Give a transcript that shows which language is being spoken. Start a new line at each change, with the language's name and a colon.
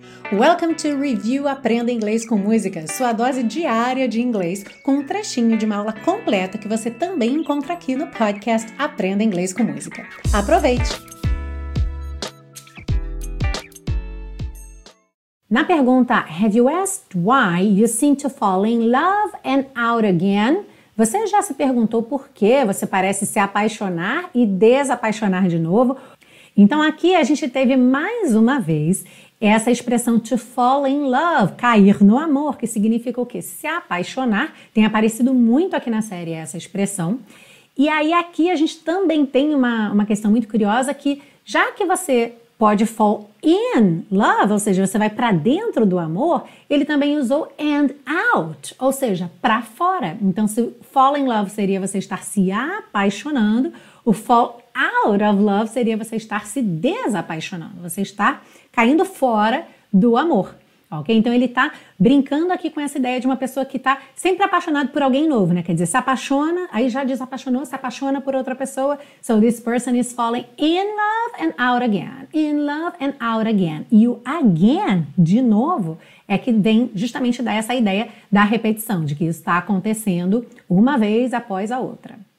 English: Welcome to
Portuguese: Review Aprenda Inglês com Música, sua dose diária de inglês, com um trechinho de uma aula completa que você também encontra aqui no podcast Aprenda Inglês com Música. Aproveite! Na pergunta,
English: have you asked why you seem to fall in love and out again?
Portuguese: Você já se perguntou por que você parece se apaixonar e desapaixonar de novo? Então aqui a gente teve mais uma vez essa expressão to fall in love, cair no amor, que significa o quê? Se apaixonar. Tem aparecido muito aqui na série essa expressão. E aí aqui a gente também tem uma questão muito curiosa que, já que você pode fall in love, ou seja, você vai para dentro do amor, ele também usou and out, ou seja, para fora. Então, se fall in love seria você estar se apaixonando, o fall out of love seria você estar se desapaixonando, você estar caindo fora do amor, ok? Então, ele está brincando aqui com essa ideia de uma pessoa que está sempre apaixonada por alguém novo, né? Quer dizer, se apaixona, aí já desapaixonou, se apaixona por outra pessoa.
English: So, this person is falling in love and out again, in love and out again.
Portuguese: E o again, de novo, é que vem justamente dar essa ideia da repetição, de que isso está acontecendo uma vez após a outra.